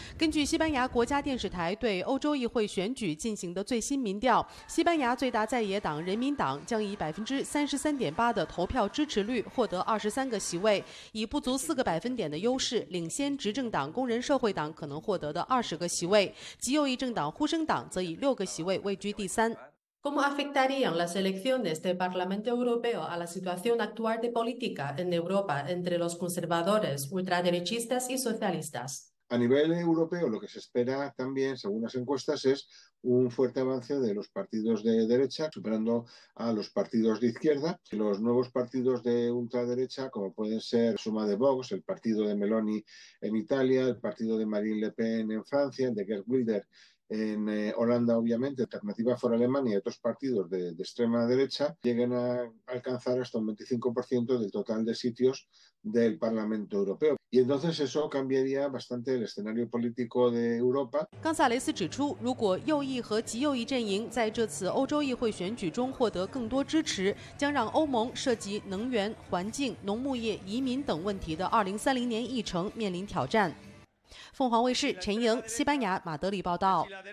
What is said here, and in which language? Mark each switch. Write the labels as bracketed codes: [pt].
[zh] 根据西班牙国家电视台对欧洲议会选举进行的最新民调，西班牙最大在野党人民党将以33.8%的投票支持率获得23个席位，以不足4%的优势领先执政党工人社会党可能获得的20个席位，极右翼政党呼声党则以6个席位位居第三。 [es] ¿Cómo afectarían las elecciones del Parlamento Europeo a la situación actual de política en Europa entre los conservadores, ultraderechistas y socialistas? A nivel europeo, lo que se espera también, según las encuestas, es un fuerte avance de los partidos de derecha, superando a los partidos de izquierda. Los nuevos partidos de ultraderecha, como pueden ser Suma de Vox, el partido de Meloni en Italia, el partido de Marine Le Pen en Francia, el de Geert Wilders, en Holanda, obviamente, Alternativa for Alemania y otros partidos de extrema derecha lleguen a alcanzar hasta un 25% del total de sitios del Parlamento Europeo. Y entonces eso cambiaría bastante el escenario político de Europa. [zh] González 指出，如果右翼和极右翼阵营在这次欧洲议会选举中获得更多支持，将让欧盟涉及能源、环境、农牧业、移民等问题的2030年议程面临挑战。凤凰卫视陈莹，西班牙马德里报道。